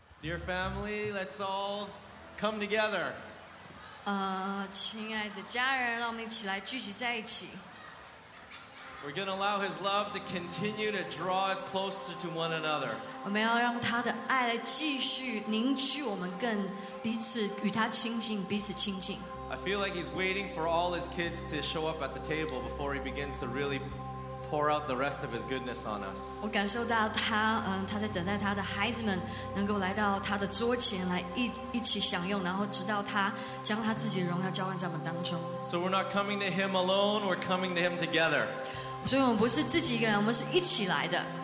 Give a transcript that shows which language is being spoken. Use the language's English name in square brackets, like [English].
[English] Dear family, let's all come together. [Chinese] 亲爱的家人，让我们一起来聚集在一起。 [English] We're going to allow his love to continue to draw us closer to one another. [Chinese] 我们要让他的爱来继续凝聚我们更彼此与他亲近，彼此亲近。 [English] I feel like he's waiting for all his kids to show up at the table before he begins to really pour out the rest of his goodness on us. [Chinese] 我感受到他，他在等待他的孩子们能够来到他的桌前来一起享用，然后直到他将他自己的荣耀浇灌在我们当中。 [English] So we're not coming to him alone, we're coming to him together. [Chinese] 所以我们不是自己一个人，我们是一起来的。